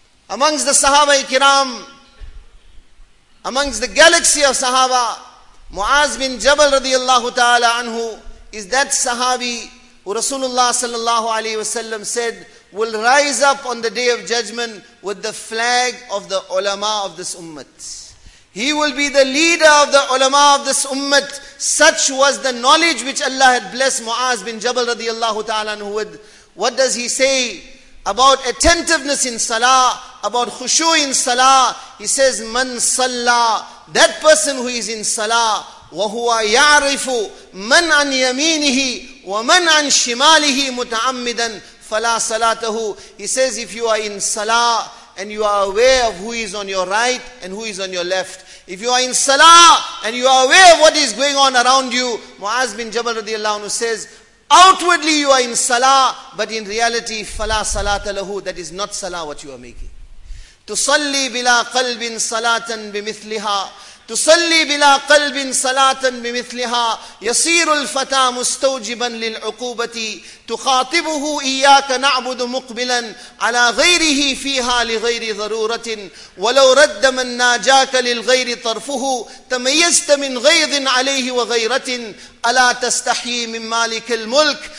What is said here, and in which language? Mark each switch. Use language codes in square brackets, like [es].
[en] Amongst the Sahaba-i-Kiram, amongst the galaxy of Sahaba, Mu'az bin Jabal radiyallahu ta'ala anhu is that sahabi who Rasulullah sallallahu alayhi wa sallam said will rise up on the day of judgment with the flag of the ulama of this ummah. He will be the leader of the ulama of this ummah. Such was the knowledge which Allah had blessed Mu'az bin Jabal radiyallahu ta'ala anhu with. What does he say about attentiveness in salah, about khushu in salah? He says, man salah, that person who is in salah, [ar] وَهُوَ يَعْرِفُ مَنْ عَنْ يَمِينِهِ وَمَنْ عَنْ شِمَالِهِ مُتَعَمِّدًا فَلَا صَلَاتَهُ. [en] He says, if you are in salah, and you are aware of who is on your right, and who is on your left. If you are in salah, and you are aware of what is going on around you, Mu'az bin Jabal radiallahu anhu says, outwardly you are in salah, but in reality, [ar] فَلَا صَلَاتَ لَهُ. [en] That is not salah what you are making. [ar] تُصَلِّي بِلَا قَلْبٍ صَلَاتًا بِمِثْلِهَا تُصَلِّي بِلَا قَلْبٍ صَلَاتًا بِمِثْلِهَا يَصِيرُ الْفَتَى مُسْتَوْجِبًا لِلْعُقُوبَةِ تُخَاطِبُهُ إِيَّاكَ نَعْبُدُ مُقْبِلًا عَلَى غَيْرِهِ فِيهَا لِغَيْرِ ضَرُورَةٍ وَلَوْ رَدَّ مَنْ نَاجَاكَ لِلْغَيْرِ طَرْفُهُ تَمَيَّزْتَ مِنْ غَيْظٍ عَلَيْهِ وَغَيْرَةٍ أَلَا تَسْتَحْيِي مِنْ مَالِكِ الْمُلْكِ